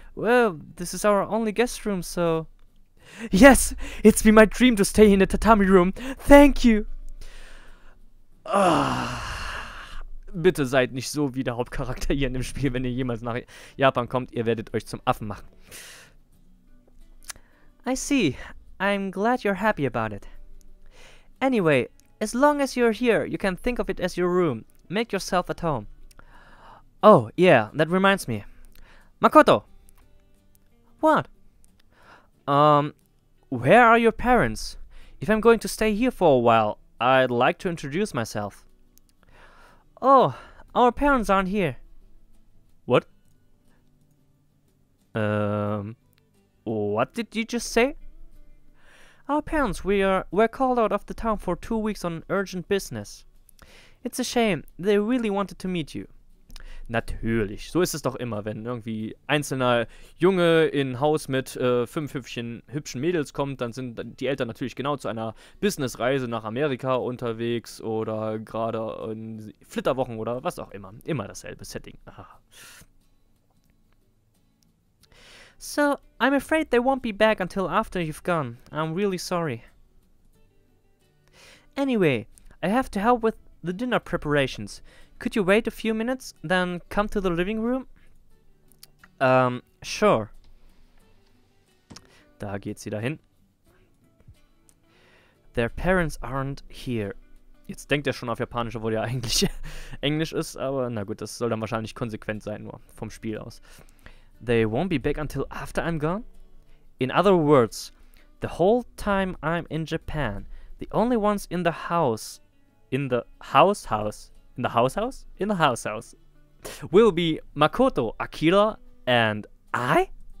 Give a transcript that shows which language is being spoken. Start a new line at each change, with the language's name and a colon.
English: Well, this is our only guest room, so... Yes! It's been my dream to stay in a tatami room! Thank you!
German: Bitte seid nicht so wie der Hauptcharakter hier in dem Spiel, wenn ihr jemals nach Japan kommt. Ihr werdet euch zum Affen machen.
English: I see. I'm glad you're happy about it. Anyway, as long as you're here, you can think of it as your room. Make yourself at home. Oh, yeah, that reminds me. Makoto! What? Where are your parents? If I'm going to stay here for a while, I'd like to introduce myself. Oh, our parents aren't here. What? What did you just say? Our parents, we're called out of the town for 2 weeks on urgent business. It's a shame, they really wanted to meet you.
German: Natürlich, so ist es doch immer, wenn irgendwie einzelner Junge in Haus mit fünf hübschen Mädels kommt, dann sind die Eltern natürlich genau zu einer Businessreise nach Amerika unterwegs oder gerade in Flitterwochen oder was auch immer. Immer dasselbe Setting.
English: So, I'm afraid they won't be back until after you've gone. I'm really sorry. Anyway, I have to help with the dinner preparations. Could you wait a few minutes, then come to the living room? Sure.
German: Da geht sie dahin.
English: Their parents aren't here.
German: Jetzt denkt er schon auf Japanisch, obwohl er eigentlich Englisch ist, aber na gut, das soll dann wahrscheinlich konsequent sein, nur vom Spiel aus.
English: They won't be back until after I'm gone? In other words, the whole time I'm in Japan, the only ones in the house... In the house house? In the house house? In the house house. Will be Makoto, Akira, and I?